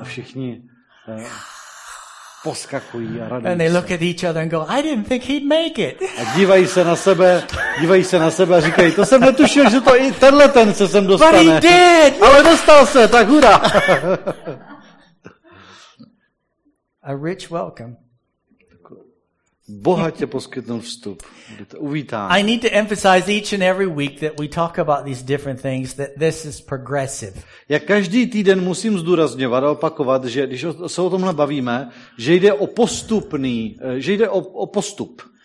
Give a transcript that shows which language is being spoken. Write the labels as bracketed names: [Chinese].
[Czech] A všichni poskakují a radují. [English] And they look at each other and go, I didn't think he'd make it. [Czech] A dívají se na sebe a říkají, to jsem netušil, že to i tenhle ten se sem dostane. [English] But he did. [Czech] Ale dostal se, tak hurá. [English] A rich welcome. [Czech] Bohatě poskytnul vstup. Uvítání. [English] I need to emphasize each and every week that we talk about these different things, that this is progressive. [Czech] Já každý týden musím zdůrazňovat a opakovat, že když se o tomhle bavíme, že jde o postupný, že jde o postup.